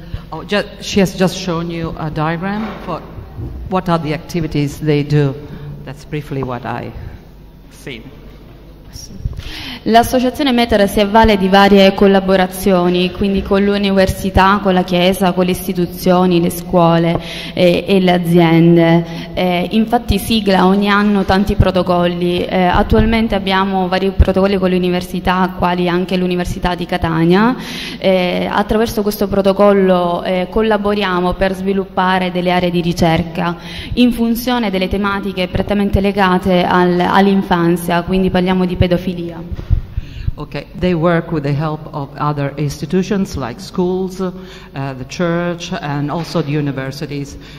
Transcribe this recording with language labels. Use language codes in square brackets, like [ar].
[en] Oh, she has just shown you a diagram for what are the activities they do. That's briefly what I see. [it] L'associazione METER si avvale di varie collaborazioni, quindi con l'università, con la chiesa, con le istituzioni, le scuole e le aziende. Infatti sigla ogni anno tanti protocolli. Attualmente abbiamo vari protocolli con l'università, quali anche l'Università di Catania. Attraverso questo protocollo collaboriamo per sviluppare delle aree di ricerca in funzione delle tematiche prettamente legate all'infanzia, quindi parliamo di pedofilia. [en] Okay, they work with the help of other institutions like schools, the church and also the universities.